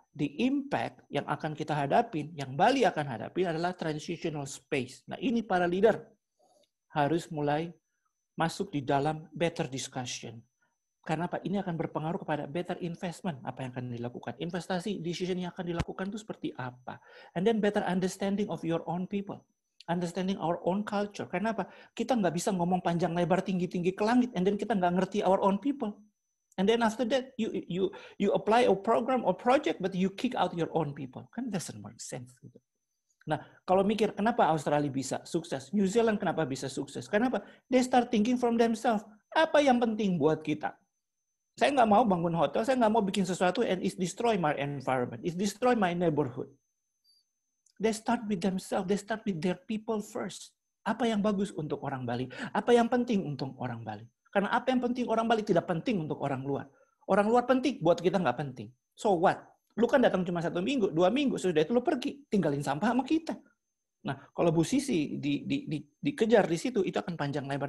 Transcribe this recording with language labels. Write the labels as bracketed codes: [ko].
[en] The impact [id] yang akan kita hadapin, yang Bali akan hadapin adalah [en] transitional space. [id] Nah ini para leader harus mulai masuk di dalam [en] better discussion. [id] Karena apa? Ini akan berpengaruh kepada [en] better investment. [id] Apa yang akan dilakukan? Investasi, decision yang akan dilakukan itu seperti apa? [en] And then better understanding of your own people. Understanding our own culture. [id] Karena apa? Kita nggak bisa ngomong panjang lebar tinggi-tinggi ke langit. [en] And then [id] kita nggak ngerti [en] our own people. And then after that, you apply a program or project, but you kick out your own people. [id] Kan [en] doesn't make sense. [id] Nah, kalau mikir kenapa Australia bisa sukses, New Zealand kenapa bisa sukses? Kenapa? [en] They start thinking from themselves. [id] Apa yang penting buat kita? Saya nggak mau bangun hotel, saya nggak mau bikin sesuatu [en] and it destroy my environment, it destroy my neighborhood. They start with themselves, they start with their people first. [id] Apa yang bagus untuk orang Bali? Apa yang penting untuk orang Bali? Karena apa yang penting orang Bali tidak penting untuk orang luar. Orang luar penting, buat kita nggak penting. [en] So what? [id] Lu kan datang cuma satu minggu, dua minggu, sudah itu lu pergi, tinggalin sampah sama kita. Nah, kalau Bu Sisi dikejar di situ, itu akan panjang lebar.